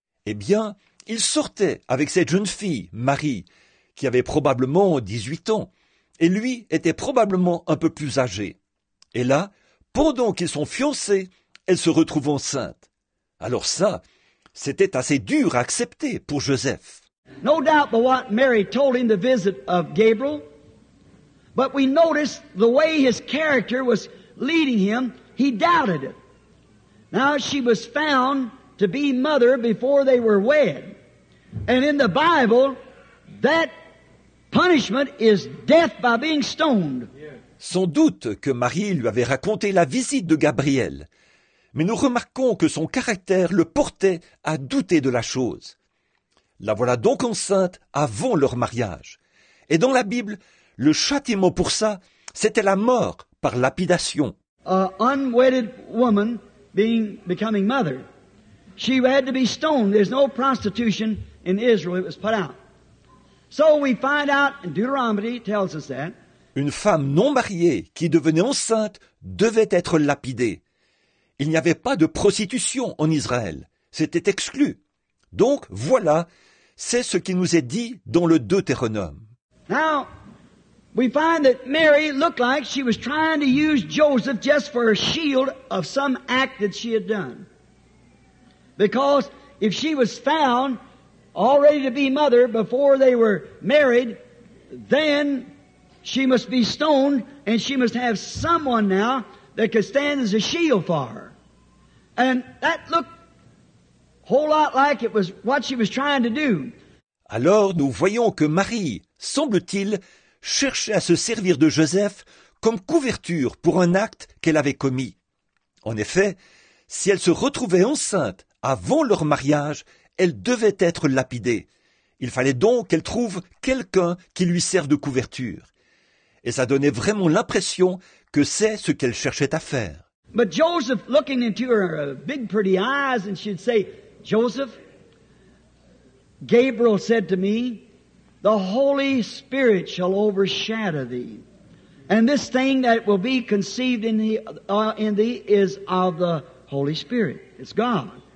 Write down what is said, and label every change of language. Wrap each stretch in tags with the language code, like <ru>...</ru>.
<fr>Eh bien, il sortait avec cette jeune fille, Marie, qui avait probablement 18 ans, et lui était probablement un peu plus âgé. Et là, pendant qu'ils sont fiancés, elle se retrouve enceinte. Alors ça, c'était assez dur à accepter pour Joseph.</fr> <en>No doubt but what Mary told him the visit of Gabriel, but we notice the way his character was leading him, he doubted it. Now she was found to be mother before they were wed. And in the Bible, that punishment is death by being stoned.</en> <fr>Sans doute que Marie lui avait raconté la visite de Gabriel. Mais nous remarquons que son caractère le portait à douter de la chose. La voilà donc enceinte avant leur mariage. Et dans la Bible, le châtiment pour ça, c'était la mort par lapidation.</fr> <en>An unwedded woman becoming mother. She had to be stoned. There's no prostitution in Israel. It was put out. So we find out, and Deuteronomy tells us that.</en> <fr>Une femme non mariée qui devenait enceinte devait être lapidée. Il n'y avait pas de prostitution en Israël. C'était exclu. Donc, voilà, c'est ce qui nous est dit dans le Deutéronome.</fr> <en>Now, we find that Mary looked like she was trying to use Joseph just for a shield of some act that she had done. Because if she was found already to be mother before they were married, then she must be stoned and she must have someone now that could stand as a shield for her. And that looked a whole lot like it was what she was trying to do.</en> <fr>Alors nous voyons que Marie, semble-t-il, cherchait à se servir de Joseph comme couverture pour un acte qu'elle avait commis. En effet, si elle se retrouvait enceinte avant leur mariage, elle devait être lapidée. Il fallait donc qu'elle trouve quelqu'un qui lui serve de couverture. Et ça donnait vraiment l'impression que c'est ce qu'elle cherchait à faire.</fr> <en>But Joseph, looking into her big pretty eyes, and she'd say, Joseph, Gabriel said to me, the Holy Spirit shall overshadow thee, and this thing that will be conceived in thee is of the Holy Spirit. It's God.</en>